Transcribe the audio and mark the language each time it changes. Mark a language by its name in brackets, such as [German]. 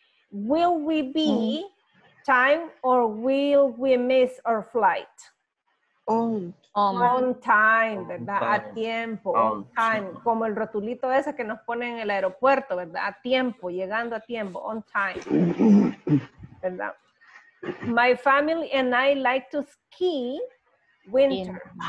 [English] Will we be time or will we miss our flight? On time, [Spanish] ¿verdad? [English] On time. [Spanish] A tiempo. [English] On time. [Spanish] Como el rotulito ese que nos ponen en el aeropuerto, ¿verdad? A tiempo, llegando a tiempo. [English] On time. [Spanish] ¿Verdad? [English] My family and I like to ski winter.